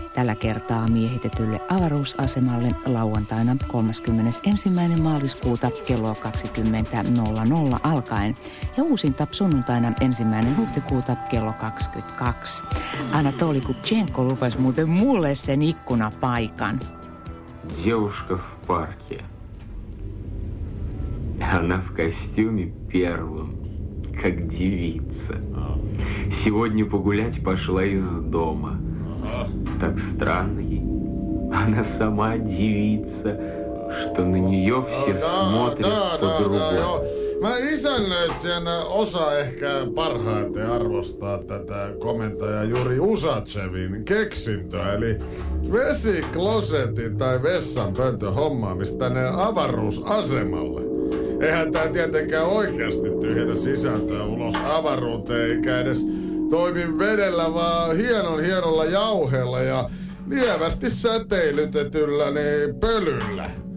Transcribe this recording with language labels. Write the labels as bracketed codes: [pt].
[fi] Tällä kertaa miehitetylle avaruusasemalle lauantaina 31. maaliskuuta kello 20.00 alkaen ja uusinta sunnuntaina 1. huhtikuuta kello 22. Anatoli Kupchenko lupasi muuten mulle sen ikkunapaikan. [ru] Девушка в парке. Она в костюме первом, как девица. Сегодня погулять пошла из дома. Так странно ей. Она сама девица, что на нее все смотрят по-другому. [fi] Mä isännöitsijän osa ehkä parhaiten arvostaa tätä komentajaa juuri Usatsevin keksintöä, eli vesiklosetin tai vessanpöntön hommaamista tänne avaruusasemalle. Eihän tää tietenkään oikeasti tyhjennä sisältöä ulos avaruuteen, eikä edes toimi vedellä, vaan hienon hienolla jauheella ja lievästi säteilytetyllä niin pölyllä.